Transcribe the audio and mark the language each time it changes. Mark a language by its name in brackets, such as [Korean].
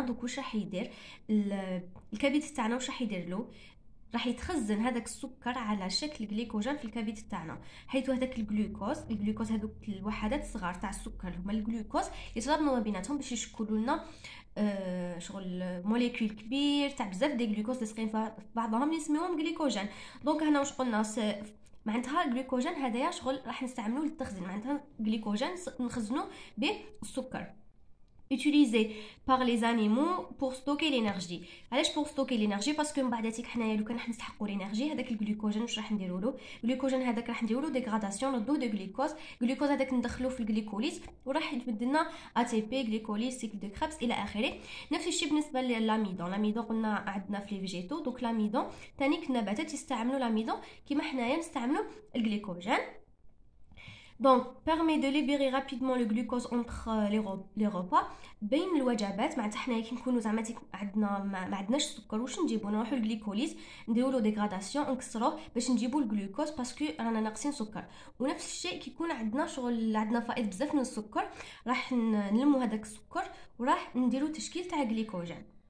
[Arabic] دوك واش راح يدير الكبد تاعنا؟ واش راح يدير له؟ راح يتخزن هذاك السكر على شكل غليكوجين في الكبد تاعنا، حيث هذاك الغلوكوز هذوك الوحدات الصغار تاع السكر هما الغلوكوز يتضامنوا بيناتهم باش يشكلوا لنا شغل موليكول كبير تاع بزاف دي غلوكوز اللي ساقين في بعضهم يسميوهم غليكوجين. دونك هنا واش قلنا؟ معناتها الغليكوجين هذايا شغل راح نستعملوه للتخزين، معناتها غليكوجين نخزنوا به السكر. [French] utilisé par les animaux pour stocker l'énergie. [Arabic] علاش [French] pour stocker l'énergie؟ [Arabic] باسكو من بعد هذيك حنايا لو كان راح نستحقوا الانرجي هذاك الجلوكوجين واش راح نديروا له؟ الجلوكوجين هذاك راح نديروا له ديغراداسيون ردو دو غليكوز، الجلوكوز هذاك ندخلو في الجليكوليز وراح يتبدل لنا ATP غليكوليز سيكل دو كريبس الى اخره. نفس الشيء بالنسبه للاميدون، الاميدون قلنا عندنا في لي فيجيتو، دونك الاميدون ثاني النباتات يستعملوا الاميدون كيما حنايا نستعملوا الجليكوجين. [French] Donc permet de libérer rapidement le glucose entre les repas. [Arabic] بين الوجبات، معناتها حنايا كي نكونو زعما عندنا ما عندناش السكر واش نجيبو؟ نروحو للجليكوليز نديرو له ديغراداسيون نكسروه باش نجيبو الجلوكوز باسكو رانا ناقصين سكر. ونفس الشيء كي يكون عندنا شغل عندنا فائض بزاف من السكر راح نلمو هذاك السكر وراح نديرو تشكيل تاع جليكوجين.